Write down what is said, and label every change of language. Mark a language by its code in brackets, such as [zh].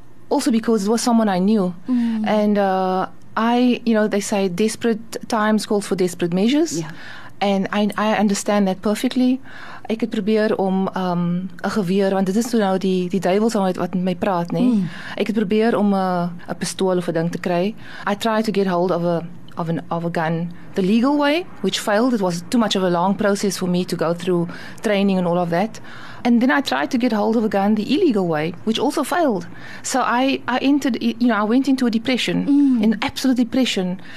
[en] Also because it was someone I knew. And I, you know, they say desperate times calls for desperate measures. Yeah. And I understand that perfectly. [af] Ek het probeer om 'n geweer, want dit is toe nou die duivels wat met my praat, nee. Ek het probeer om 'n pistool of 'n ding te kry. [en] I tried to get hold of a gun the legal way, which failed. It was too much of a long process for me to go through training and all of that. And then I tried to get hold of a gun the illegal way, which also failed. So I went into a depression, an absolute depression.